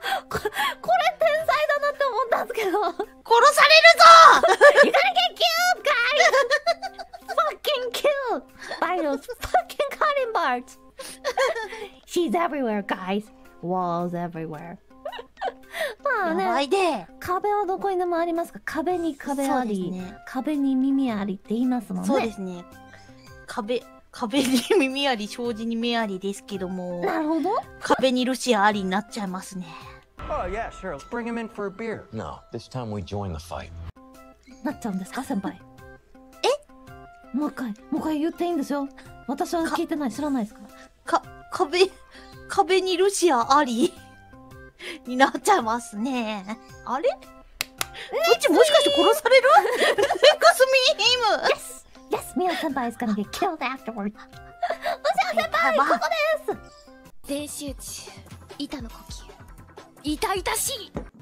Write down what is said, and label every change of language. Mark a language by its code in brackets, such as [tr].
[ja] これ天才だなって思ったんですけど。殺されるぞ。 [en] You gotta get killed, guys. Fucking killed by those fucking cutting boards. She's everywhere, guys. Walls everywhere. [ja] まあね。やばいで。壁はどこにでもありますか。壁に壁あり、ね、壁に耳ありって言いますもんね。そうですね。壁。壁に耳あり、障子に目ありですけども。なるほど。壁にロシアありになっちゃいますね。 [en] Oh, yeah, sure. Let's bring him in for a beer. No, this time we join the fight. [ja] なっちゃうんですか、先輩。え？もう一回、もう一回言っていいんですよ。私は聞いてない、知らないですか。壁にロシアありになっちゃいますね。あれ？こっちもしかして殺される？レクスミーム。 [en] Yes! Yes, Mio senpai is gonna get killed afterward. [ja] Mio senpai, ここです。練習中、板の呼吸。痛々しい。